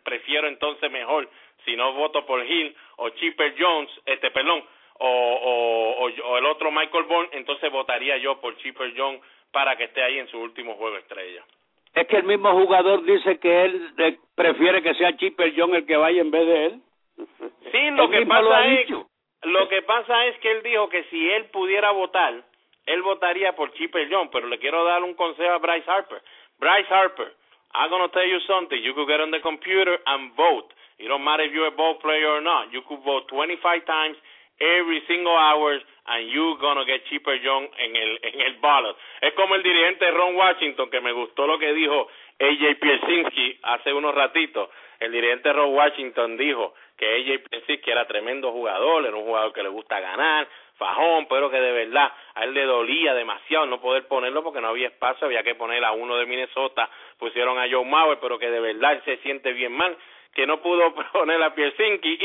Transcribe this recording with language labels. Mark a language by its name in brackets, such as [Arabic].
[Spanish] Prefiero entonces mejor, si no voto por Hill o Chipper Jones, o el otro Michael Bourne, entonces votaría yo por Chipper Jones para que esté ahí en su último juego estrella. Es que el mismo jugador dice que él prefiere que sea Chipper Jones el que vaya en vez de él. Sí, lo que pasa es que él dijo que si él pudiera votar, él votaría por Chipper Jones, pero le quiero dar un consejo a Bryce Harper. [English] Bryce Harper, I'm going to tell you something. You could get on the computer and vote. It don't matter if you're a ball player or not. You could vote 25 times every single hour and you're going to get Chipper Jones [Spanish] en el [English] ballot. [Spanish] Es como el dirigente Ron Washington, que me gustó lo que dijo AJ Pierczynski hace unos ratitos. El dirigente Ron Washington dijo que AJ Pierczynski era tremendo jugador, era un jugador que le gusta ganar, fajón, pero que de verdad a él le dolía demasiado no poder ponerlo porque no había espacio, había que poner a uno de Minnesota, pusieron a Joe Mauer, pero que de verdad se siente bien mal que no pudo poner a Pierczynski.